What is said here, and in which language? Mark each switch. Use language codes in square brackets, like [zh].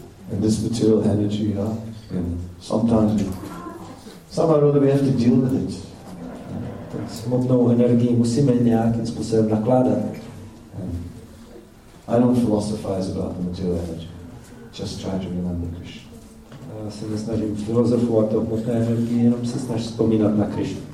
[en] And this material energy, sometimes somehow or other we have to deal with it. [cs] Tak s hmotnou energií musíme nějakým způsobem nakládat. [en] I don't philosophize about the material energy. Just try to remember Krishna. [cs] Já se nesnažím filozofovat o hmotné energii, jenom se snaží vzpomínat na Krishna.